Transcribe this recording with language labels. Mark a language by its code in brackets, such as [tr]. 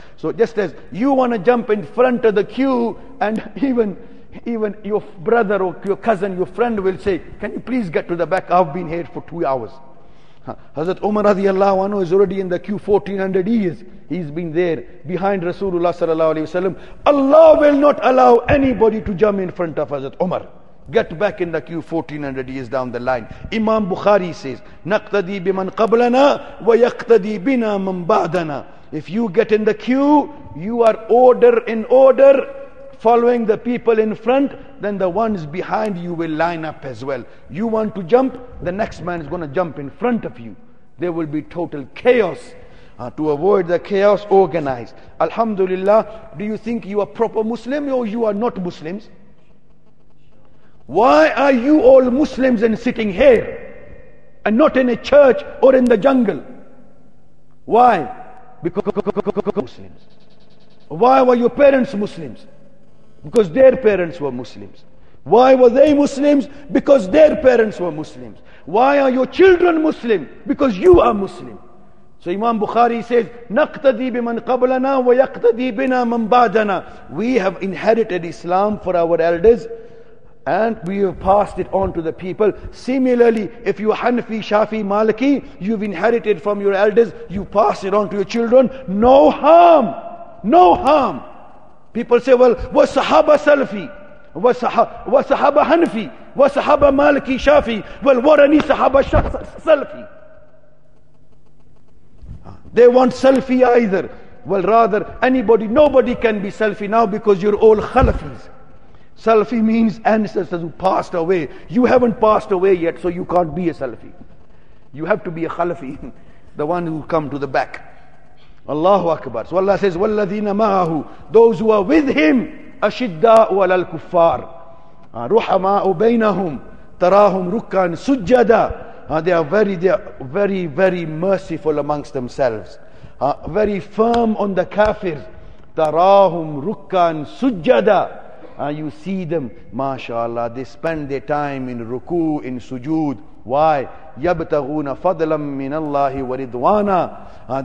[en] So just as you want to jump in front of the queue, and even your brother or your cousin, your friend will say, can you please get to the back? I've been here for 2 hours. Hazrat Umar radiallahu anhu is already in the queue 1400 years. He's been there behind Rasulullah sallallahu alayhi wa sallam. Allah will not allow anybody to jump in front of Hazrat Umar. Get back in the queue 1400 years down the line. Imam Bukhari says, [ar] نَقْتَدِي بِمَنْ قَبْلَنَا وَيَقْتَدِي بِنَا مَنْ بَعْدَنَا. [en] If you get in the queue, you are order in order, following the people in front, then the ones behind you will line up as well. You want to jump, the next man is going to jump in front of you. There will be total chaos. To avoid the chaos, organized. Alhamdulillah, do you think you are proper Muslim or you are not Muslims? Why are you all Muslims and sitting here and not in a church or in the jungle? Why? Because Muslims. Why were your parents Muslims? Because their parents were Muslims. Why were they Muslims? Because their parents were Muslims. Why are your children Muslim? Because you are Muslim. So Imam Bukhari says, [ar] نَقْتَدِي بِمَنْ قَبْلَنَا وَيَقْتَدِي بِنَا مَنْ بَعْدَنَا. [en] We have inherited Islam for our elders, and we have passed it on to the people. Similarly, if you are Hanafi, Shafi, Maliki, you've inherited from your elders, you pass it on to your children. No harm. No harm. People say, well, was Sahaba Salafi? Was Sahaba Hanafi? Was Sahaba Maliki, Shafi? Well, what any Sahaba Salafi? They want Salafi either. Well, rather, anybody, nobody can be Salafi now because you're all Khalafis. Salafi means ancestors who passed away. You haven't passed away yet, so you can't be a Salafi. You have to be a Khalafi, the one who come to the back. Allahu Akbar. So Allah says, [ar] وَالَّذِينَ مَعَهُ, [en] those who are with him, [ar] أَشِدَّاءُ عَلَى الْكُفَّارِ رُحَمَاءُ بَيْنَهُمْ تَرَاهُمْ رُكَّانْ سُجَّدًا. [en] They are very, very merciful amongst themselves. Very firm on the kafir. [ar] تَرَاهُمْ رُكَّانْ سُجَّدًا. [en] You see them, mashallah, they spend their time in ruku, in sujood. Why? [ar] يَبْتَغُونَ فَضْلًا مِّنَ اللَّهِ وَرِضْوَانًا.